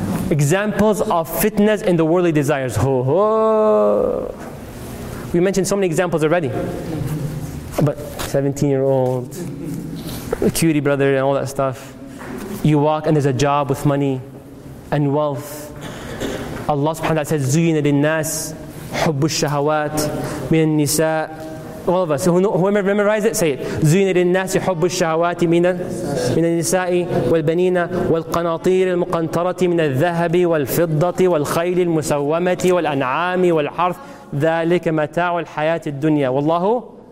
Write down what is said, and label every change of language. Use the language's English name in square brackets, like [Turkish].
[English] Examples of fitnas in the worldly desires. Ho, ho. We mentioned so many examples already. But 17-year-old, cutie brother and all that stuff. You walk and there's a job with money and wealth. Allah subhanahu wa ta'ala says, [Arabic] زُيِّنَ لِلنَّاسِ حُبُّ الشَّهَوَاتِ مِنَ النِّسَاءِ. [English] All of us, whoever memorized it, say it. [Arabic] زُيِّنَ لِلنَّاسِ حُبُّ الشَّهَوَاتِ مِنَ النِّسَاءِ وَالْبَنِينَ وَالْقَنَاطِيرِ الْمُقَنْطَرَةِ مِنَ الذَّهَبِ وَالْفِضَّةِ وَالْخَيْلِ الْمُسَوَّمَةِ وَالْأَنْعَامِ وَالْحَرْثِ ذَلِكَ مَتَاعُ الْحَيَاةِ الدُّنْيَا وَاللَّهُ